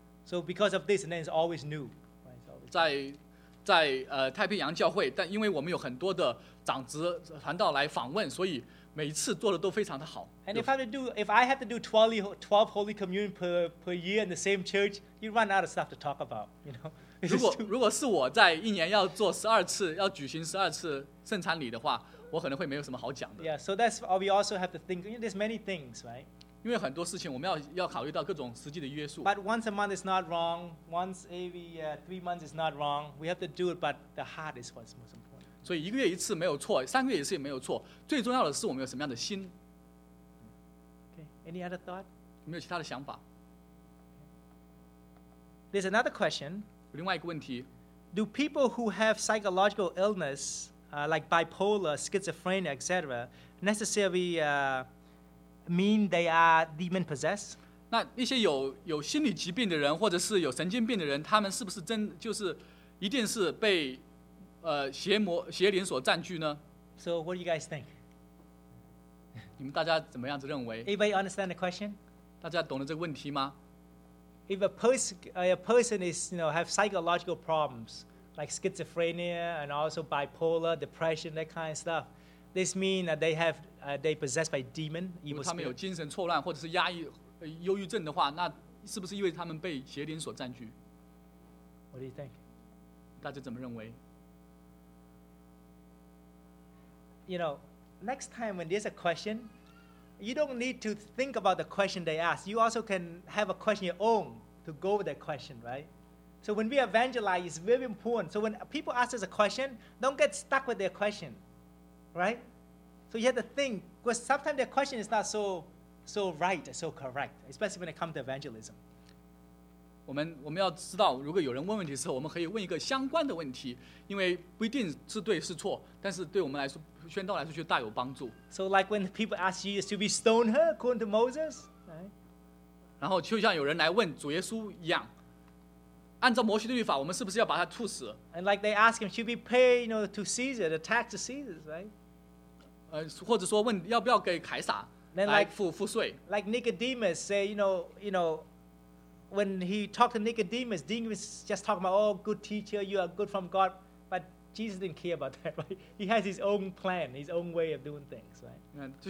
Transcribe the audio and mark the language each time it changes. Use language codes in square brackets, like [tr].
[en] So because of this, and then it's always new. Right? [zh] 在太平洋教会，但因为我们有很多的长子传道来访问，所以每一次做的都非常的好。 [en] And if I have to do 12 Holy Communion per year in the same church, you run out of stuff to talk about, you know? [zh] 如果是我在一年要做十二次要举行十二次圣餐礼的话，我可能会没有什么好讲的。 [en] Yeah, so that's why we also have to think. You know, there's many things, right? [zh] 因为很多事情我们要考虑到各种实际的约束。 [en] But once a month is not wrong. Once every 3 months is not wrong. We have to do it, but the heart is what's most important. [zh] 所以一个月一次没有错，三个月一次也没有错。最重要的是我们有什么样的心。 [en] Okay. Any other thought? [zh] 有没有其他的想法 [en] ？There's another question. [zh] 另外一个问题， [en] Do people who have psychological illness, like bipolar, schizophrenia, etc., necessarily mean they are demon possessed? [zh] 那一些有心理疾病的人，或者是有神经病的人，他们是不是真就是一定是被邪灵所占据呢？ [en] So what do you guys think? [zh] 你们大家怎么样子认为？ [en] Anybody understand the question? [zh] 大家懂得这个问题吗？ [en] If a person is, you know, have psychological problems like schizophrenia and also bipolar, depression, that kind of stuff, this means that they have, they possessed by demon, evil spirit. [zh] 如果他们有精神错乱或者是压抑、忧郁症的话，那是不是因为他们被邪灵所占据？ [en] What do you think? [zh] 大家怎么认为？ [en] You know, next time when there's a question,You don't need to think about the question they ask. You also can have a question your own to go with that question, right? So when we evangelize, it's very important. So when people ask us a question, don't get stuck with their question, right? So you have to think, because sometimes their question is not so right, so correct, especially when it comes to evangelism. [zh] 我们要知道，如果有人问问题的时候，我们可以问一个相关的问题，因为不一定是对是错，但是对我们来说。宣道来说就大有帮助。 [en] So like when people ask Jesus to be stoned her according to Moses, right? [zh] 然后就像有人来问主耶稣一样，按照摩西的律法，我们是不是要把他处死 [en] ？And like they ask him, should we pay, you know, to Caesar, the tax to Caesar, right? [zh] 或者说问要不要给凯撒来付税 [en] ？Like Nicodemus say, you know, when he talked to Nicodemus, Nicodemus just talking about, oh, good teacher, you are good from God. Jesus didn't care about that, right? He has his own plan, his own way of doing things, right?